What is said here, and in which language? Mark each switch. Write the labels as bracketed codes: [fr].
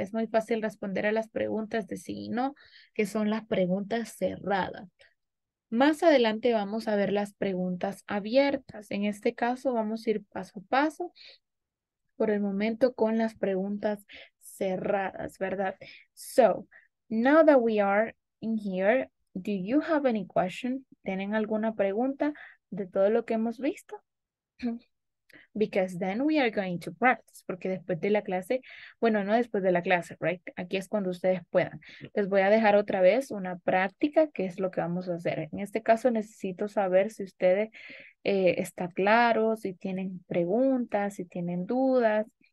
[es] Es muy fácil responder a las preguntas de sí y no, que son las preguntas cerradas. Más adelante vamos a ver las preguntas abiertas. En este caso vamos a ir paso a paso por el momento con las preguntas cerradas, ¿verdad? [en] So, now that we are in here, do you have any question? [es] ¿Tienen alguna pregunta de todo lo que hemos visto? [en] Because then we are going to practice, [es] porque después de la clase, bueno, no después de la clase, right? Aquí es cuando ustedes puedan. Les voy a dejar otra vez una práctica, que es lo que vamos a hacer. En este caso necesito saber si ustedes está claro, si tienen preguntas, si tienen dudas.